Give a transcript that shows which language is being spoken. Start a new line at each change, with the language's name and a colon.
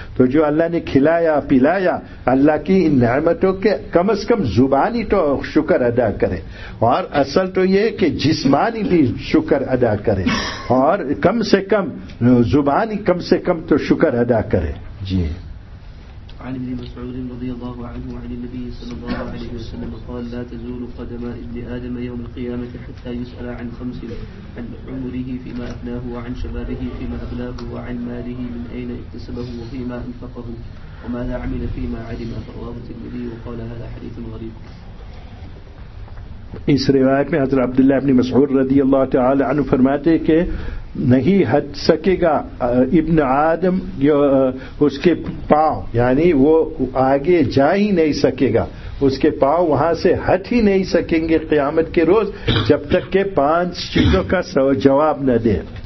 Urdu: تو جو اللہ نے کھلایا پلایا اللہ کی ان نعمتوں کے کم از کم زبانی تو شکر ادا کرے، اور اصل تو یہ کہ جسمانی بھی شکر ادا کرے، اور کم سے کم زبانی کم سے کم تو شکر ادا کرے. جی.
Arabic: عن ابن مسعود رضي الله عنه عن النبي صلى الله عليه وسلم قال: لا تزول قدم ابن آدم يوم القيامة حتى يسأل عن خمس: عن عمره فيما أبناه، وعن شبابه فيما أبلاه، وعن ماله من أين اكتسبه، وفيما أنفقه، وماذا عمل فيما علم. فرواه الترمذي وقال: هذا حديث غريب.
Urdu: اس روایت میں حضرت عبداللہ ابن مسعود رضی اللہ تعالی عنہ فرماتے کہ نہیں ہٹ سکے گا ابن آدم، اس کے پاؤں یعنی وہ آگے جا ہی نہیں سکے گا، اس کے پاؤں وہاں سے ہٹ ہی نہیں سکیں گے قیامت کے روز جب تک کہ پانچ چیزوں کا جواب نہ دے.